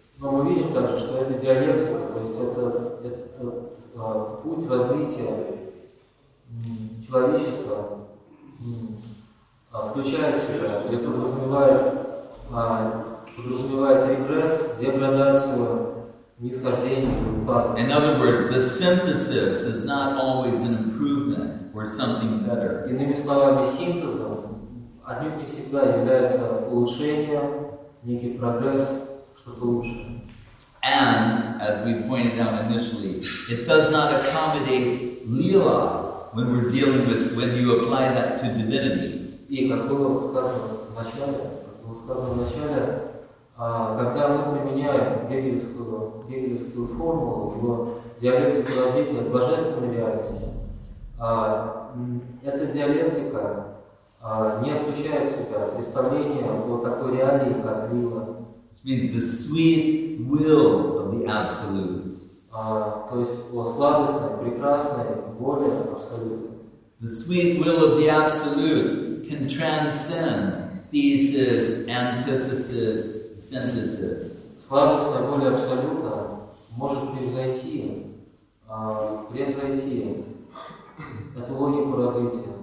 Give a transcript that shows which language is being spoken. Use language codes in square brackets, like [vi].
[ru] Но мы видим также, что это диалектика, то есть это путь развития человечества включает в себя, где подразумевает регресс, деградацию, нисхождение, упадок. [en] In other words, the synthesis is not always an improvement or something better. [ru] Иными словами, синтезом отнюдь не всегда является улучшение, некий прогресс, что-то лучше. [en] And, as we pointed out initially, it does not accommodate lila when we're dealing with, when you apply that to divinity. [ru] И как было сказано в начале, когда мы применяем гегелевскую формулу в диалектику развития божественной реальности, эта диалектика не включает в себя представление о такой реалии, как лила. [en] It means the sweet will of the absolute. [ru] То есть о сладостной, прекрасной воле абсолюта. [en] The sweet will of the Absolute can transcend thesis, antithesis, synthesis. [ru] Сладостная воля Абсолюта может превзойти эту логику развития.